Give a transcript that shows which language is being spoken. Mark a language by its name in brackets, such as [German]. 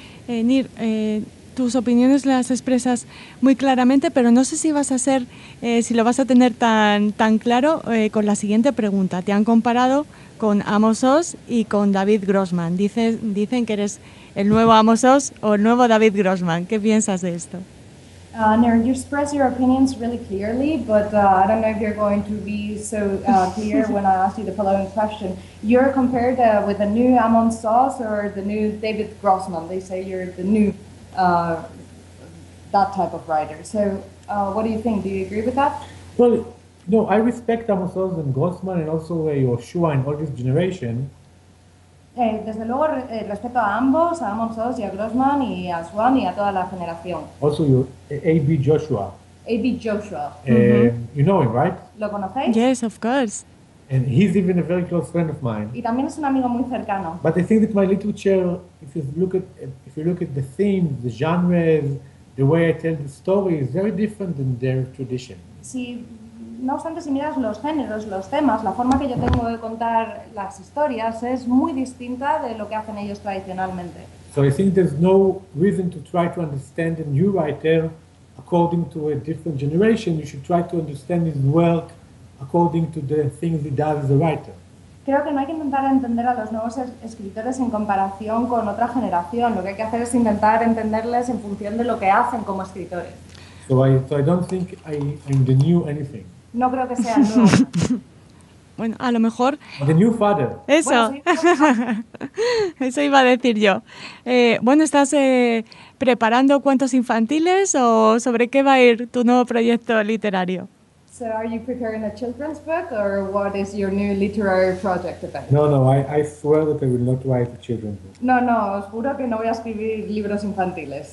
[Spanish] Nir, tus opiniones las expresas muy claramente, pero no sé si lo vas a tener tan claro con la siguiente pregunta. Te han comparado con Amos Oz y con David Grossman. Dicen que eres el nuevo Amos Oz o el nuevo David Grossman. ¿Qué piensas de esto? [English] Nir, you express your opinions really clearly, but I don't know if you're going to be so clear when I ask you the following question. You're compared with the new Amos Oz or the new David Grossman. They say you're the new that type of writer. So what do you think? Do you agree with that? Well, No, I respect Amos Oz and Grossman and also Yehoshua and all this generation. [Spanish] Desde luego respeto a ambos, a Amos Oz y a Grossman y a Swan y a toda la generación. [English] Also, you, A.B. Joshua. A.B. Joshua. You know him, right? [Spanish] ¿Lo conocéis? [English] Yes, of course. And he's even a very close friend of mine. [Spanish] Y también es un amigo muy cercano. [English] But I think that my literature, if you look at the theme, the genres, the way I tell the story, is very different than their tradition. Si, no obstante, si miras los géneros, los temas, la forma que yo tengo de contar las historias es muy distinta de lo que hacen ellos tradicionalmente. So I think there's no reason to try to understand a new writer according to a different generation. You should try to understand his work according to the things he does as a writer. [Spanish] Creo que no hay que intentar entender a los nuevos escritores en comparación con otra generación. Lo que hay que hacer es intentar entenderles en función de lo que hacen como escritores. [English] So I don't think I'm the new anything. [Spanish] No creo que sea nuevo. Bueno, a lo mejor... [English] The new father. [Spanish] Eso. Eso iba a decir yo. Bueno, ¿estás preparando cuentos infantiles o sobre qué va a ir tu nuevo proyecto literario? [English] So are you preparing a children's book or what is your new literary project about? No, I swear that I will not write a children's book. [Spanish] No, os juro que no voy a escribir libros infantiles.